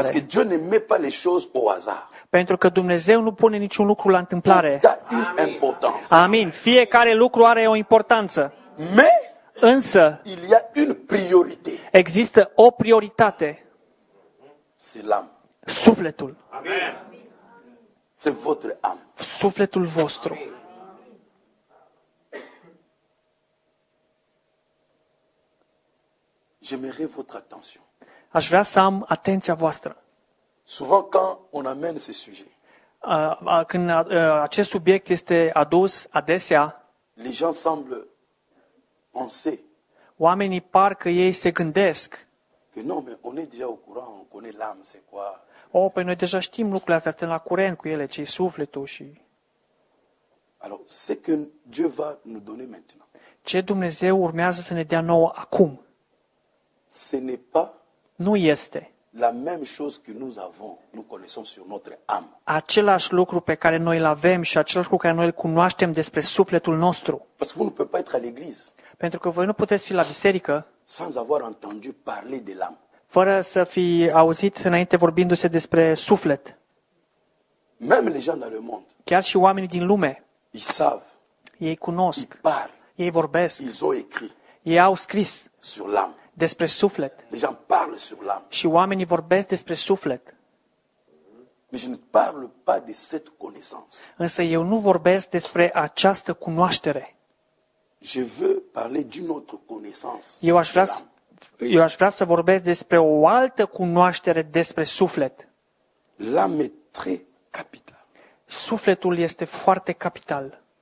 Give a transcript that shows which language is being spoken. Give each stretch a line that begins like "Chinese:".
French: Parce que Dieu ne met pas les choses au hasard.
Romanian: Pentru că Dumnezeu nu pune niciun lucru la întâmplare. Amin. Fiecare lucru are o importanță.
French: Mais,
Romanian: însă,
French: il y a une priorité.
Romanian: Există o prioritate.
French: C'est l'âme.
Romanian: Sufletul. Amen.
French: C'est votre âme.
Romanian: Sufletul vostru.
French: J'aimerais votre attention.
Romanian: Aș vrea să am atenția voastră.
French: Souvent quand on amène ce sujet.
Romanian: Când acest subiect este adus adesea,
French: les gens semblent penser.
Romanian: Oamenii par că ei se gândesc.
French: Que non, mais on est déjà au courant, on connaît l'âme, c'est quoi?
Romanian: Oh, păi noi deja știm lucrurile astea, suntem la curent cu ele, ce-i sufletul și.
French: Alors, ce que Dieu va nous donner maintenant.
Romanian: Ce Dumnezeu urmează să ne dea nouă acum?
French: Ce n'est pas.
Romanian: Nu este.
French: La même chose que nous avons, nous connaissons sur notre âme.
Romanian: Același lucru pe care noi îl avem și același lucru pe care noi îl cunoaștem despre sufletul nostru.
French: Parce que vous ne pouvez pas être à l'église.
Romanian: Pentru că voi nu puteți fi la biserică
French: sans avoir entendu parler de l'âme.
Romanian: Fără să fi auzit înainte vorbindu-se despre suflet.
French: Même les gens dans le monde.
Romanian: Chiar și oamenii din lume.
French: Ils savent.
Romanian: Ei cunosc.
French: Ils parlent.
Romanian: Ei vorbesc.
French: Ils ont écrit.
Romanian: Ei au scris.
French: Sur l'âme.
Romanian: Despre suflet.
French: Les gens parlent sur l'âme.
Romanian: Și oamenii vorbesc despre suflet.
French: Mais je ne parle pas de cette connaissance.
Romanian: Însă eu nu vorbesc despre această cunoaștere.
French: Je veux parler d'une autre connaissance.
Romanian: Eu aș vrea să vorbesc despre o altă cunoaștere despre suflet.
French: L'âme est très capital.
Romanian: Sufletul este foarte capital.